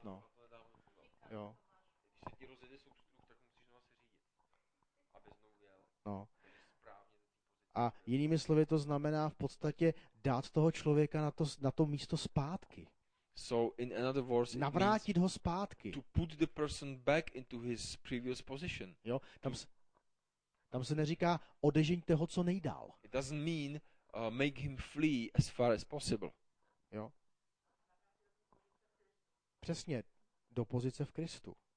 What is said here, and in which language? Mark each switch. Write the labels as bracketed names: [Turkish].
[Czech] když se ti rozjede soustruh, tak musíš znovu se řídit, aby znovu jel. No. A jinými slovy to znamená v podstatě dát toho člověka na to místo zpátky. [English] So in another words, [Czech] navrátit ho zpátky. [English] To put the person back into his previous position. [Czech] Jo, tam se neříká odežeňte ho co nejdál. [English] It doesn't mean make him flee as far as possible. [Czech] Jo. Přesně do pozice v Kristu.